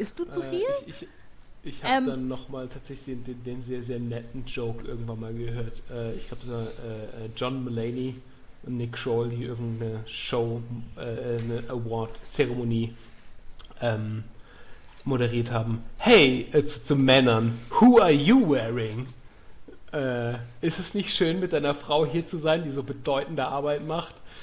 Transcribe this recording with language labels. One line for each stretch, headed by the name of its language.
German: Isst du zu viel? Ich habe dann nochmal tatsächlich den sehr, sehr netten Joke irgendwann mal gehört. Ich glaube, John Mulaney und Nick Kroll, die irgendeine Show, eine Award-Zeremonie moderiert haben. Hey, zu Männern,
English: who are you wearing?
German: Ist es nicht schön, mit deiner Frau hier zu sein, die so bedeutende Arbeit macht?